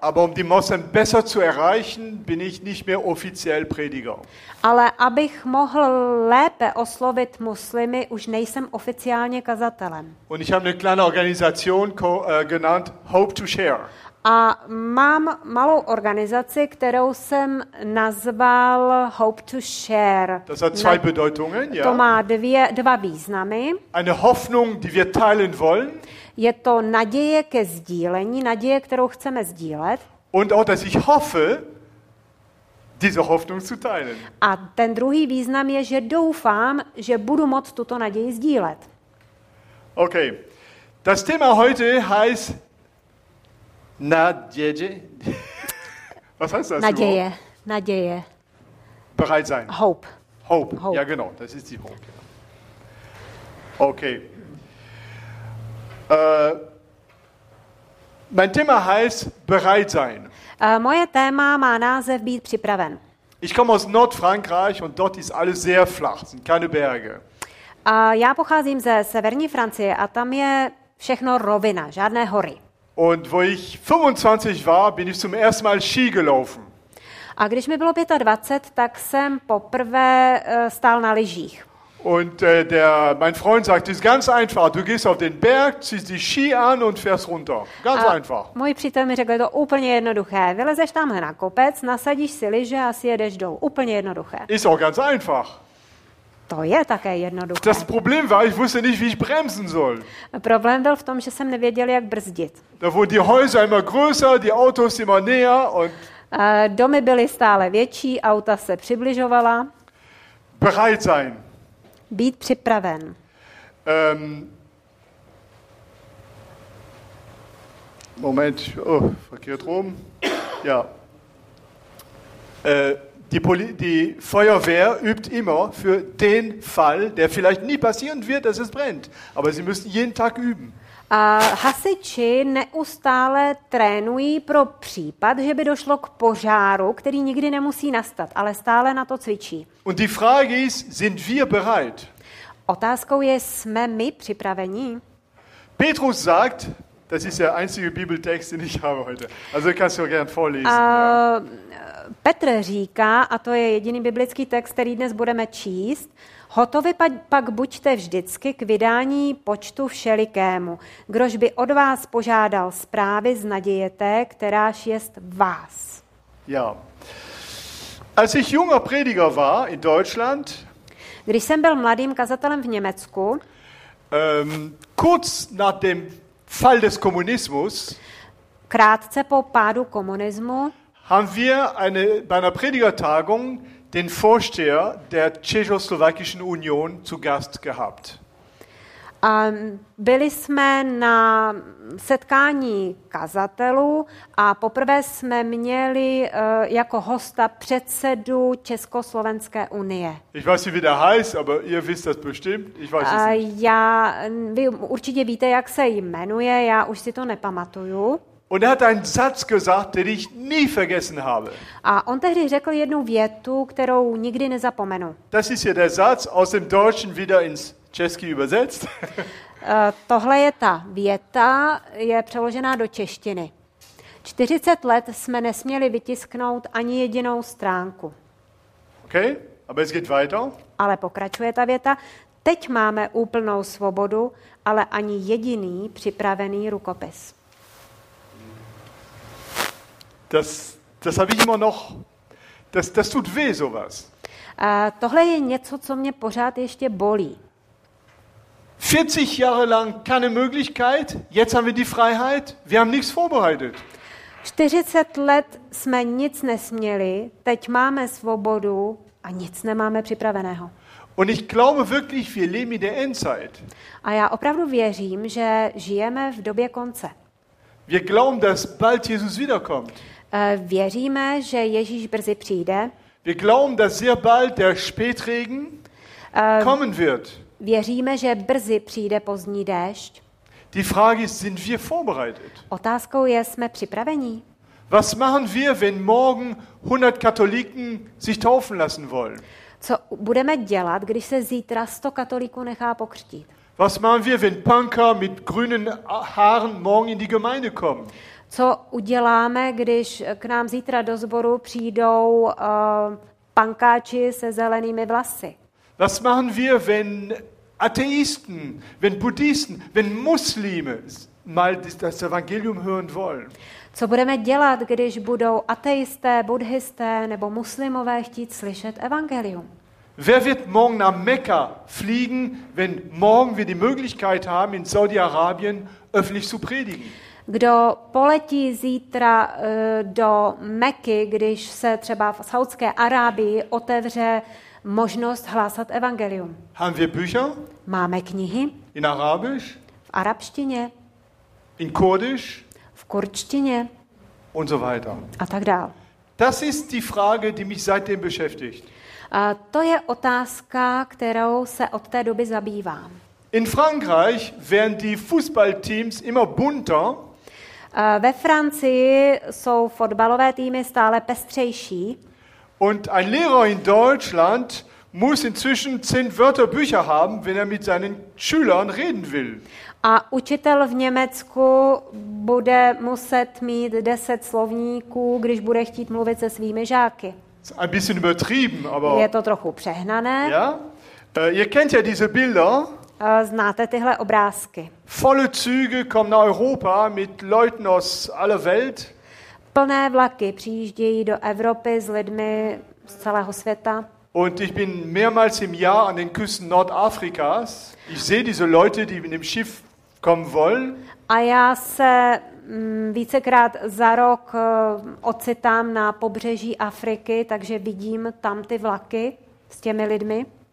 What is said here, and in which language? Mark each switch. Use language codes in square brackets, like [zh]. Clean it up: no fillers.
[de] Aber um die Massen besser zu erreichen, bin ich nicht mehr offiziell Prediger. [cs] Ale abych mohl lépe oslovit muslimy, už nejsem oficiálně kazatelem. [de] Und ich habe eine kleine Organisation genannt Hope to Share. [cs] A mám malou organizaci, kterou jsem nazval Hope to Share. [de] Das hat zwei Bedeutungen, [cs] ja. To má dva významy. [de] Eine Hoffnung, die wir teilen wollen. [cs] Je to naděje ke sdílení, naděje, kterou chceme sdílet. [de] Und auch, dass ich hoffe, diese Hoffnung zu teilen. [cs] A ten druhý význam je, že doufám, že budu moct tuto naději sdílet. [de] Okay. Das Thema heute heißt Naděje. Was heißt das? [cs] Naděje. Überhaupt? Naděje. [de] Bereit sein. [en] Hope. [de] Hope. Hope. Ja, genau. Das ist die Hope. Okay. Mein Thema heißt bereit sein. [cs] Moje téma má název být připraven. [de] Ich komme aus Nordfrankreich und dort ist alles sehr flach. Sind keine Berge. [cs] Já pocházím ze severní Francie a tam je všechno rovina, žádné hory. [de] Und wo ich 25 war, bin ich zum ersten Mal Ski gelaufen. [cs] A když mi bylo 25, tak jsem poprvé stál na lyžích. [de] Und mein Freund sagt, es ist ganz einfach, du gehst auf den Berg, ziehst die Ski an und fährst runter. Ganz einfach. [cs] Můj přítel mi řekl, je to úplně jednoduché. Vylezeš tamhle na kopec, nasadíš si lyže a si jedeš dolů. Úplně jednoduché. [de] Ist auch ganz einfach. [cs] To je také jednoduché. [de] Das Problem war, ich wusste nicht, wie ich bremsen soll. [cs] Problém byl v tom, že jsem nevěděl, jak brzdit. [de] Da wurden die Häuser immer größer, die Autos immer näher und [cs] domy byly stále větší, auta se přibližovala. [de] Bereit sein. [cs] Být připraven. [de] Moment, oh, verkehrt rum. Ja. Die Feuerwehr übt immer für den Fall, der vielleicht nie passieren wird, dass es brennt. Aber sie müssen jeden Tag üben. [cs] Hasiči neustále trénují pro případ, že by došlo k požáru, který nikdy nemusí nastat, ale stále na to cvičí. [de] Und die Frage ist, sind wir bereit? [cs] Otázkou je, jsme my připraveni? [de] Petrus sagt, das ist der einzige Bibeltext, den ich habe heute. Also kannst du gern vorlesen. [cs] Petr říká, a to je jediný biblický text, který dnes budeme číst, hotovi pak buďte vždycky k vydání počtu všelikému. Kdož by od vás požádal zprávy z naděje té, kteráž jest vás. [de] Ja. Als ich junger Prediger war in Deutschland, [cs] když jsem byl mladým kazatelem v Německu, [de] kurz nach dem Fall des Kommunismus, [cs] krátce po pádu komunismu, [de] haben wir bei einer Predigertagung den Vorsteher der Tschechoslowakischen Union zu Gast gehabt. [cs] Byli jsme na setkání kazatelů a poprvé jsme měli jako hosta předsedu Československé unie. [de] Ich weiß nicht, wie der heißt, aber ihr wisst das bestimmt. Ich weiß es nicht. [cs] Vy určitě víte, jak se jmenuje, já už si to nepamatuju. [de] Und hat einen Satz gesagt, den ich nie vergessen habe. [cs] A on tehdy řekl jednu větu, kterou nikdy nezapomenu. [de] Das ist hier der Satz aus dem Deutschen wieder ins Česky übersetzt. [cs] Tohle je ta věta, je přeložená do češtiny. 40 let jsme nesměli vytisknout ani jedinou stránku. [de] Okay, aber es geht weiter. [cs] Ale pokračuje ta věta. Teď máme úplnou svobodu, ale ani jediný připravený rukopis. [de] Das habe ich immer noch. Das tut weh, sowas. [cs] Tohle je něco, co mě pořád ještě bolí. [de] 40 Jahre lang keine Möglichkeit, jetzt haben wir die Freiheit, wir haben nichts vorbereitet. [cs] 40 let jsme nic nesměli, teď máme svobodu a nic nemáme připraveného. [de] Und ich glaube wirklich, wir leben in der Endzeit. [cs] A já opravdu věřím, že žijeme v době konce. [de] Wir glauben, dass bald Jesus wiederkommt. [cs] Věříme, že Ježíš brzy přijde. [de] Wir glauben, dass sehr bald der Spätregen kommen wird. [cs] Věříme, že brzy přijde pozdní déšť. [de] Die Frage ist, sind wir vorbereitet? [cs] Otázkou je, jsme připraveni? [de] Was machen wir, wenn morgen 100 Katholiken sich taufen lassen wollen? [cs] Co budeme dělat, když se zítra 100 katolíků nechá pokřtít? [de] Was machen wir, wenn Punker mit grünen Haaren morgen in die Gemeinde kommen? [cs] Co uděláme, když k nám zítra do sboru přijdou pankáči se zelenými vlasy? [de] Was machen wir, wenn Atheisten, wenn Buddhisten, wenn Muslime mal das Evangelium hören wollen? [cs] Co budeme dělat, když budou ateisté, buddhisté nebo muslimové chtít slyšet evangelium? [de] Wer wird morgen nach Mekka fliegen, wenn morgen wir die Möglichkeit haben, in Saudi-Arabien öffentlich zu predigen? [cs] Kdo poletí zítra do Mekky, když se třeba v Saudské Arábii otevře možnost hlásat evangelium? [de] Haben wir Bücher? [cs] Máme knihy? [de] In Arabisch? [cs] V arabštině? [de] In Kurdisch? [cs] V kurdštině? [de] Und so weiter. [cs] A tak dál. [de] Das ist die Frage, die mich seitdem beschäftigt. [cs] A to je otázka, kterou se od té doby zabývám. [de] In Frankreich werden die Fußballteams immer bunter. [cs] Ve Francii jsou fotbalové týmy stále pestřejší. [de] Und ein Lehrer in Deutschland muss inzwischen 10 Wörterbücher haben, wenn er mit seinen Schülern reden will. [cs] A učitel v Německu bude muset mít 10 slovníků, když bude chtít mluvit se svými žáky. [de] Ein bisschen übertrieben, aber [cs] je to trochu přehnané. [de] Ja? Ihr kennt ja diese Bilder. [cs] Znáte tyhle obrázky. [de] Volle Züge kommen nach Europa mit Leuten aus aller Welt. [cs] Plné vlaky přijíždějí do Evropy s lidmi z celého světa. [de] Und ich bin mehrmals im Jahr an den Küsten Nordafrikas. Ich sehe diese Leute, die mit dem Schiff kommen wollen. [cs] A já se vícekrát za rok ocitám na pobřeží Afriky, takže vidím tam ty vlaky s těmi lidmi.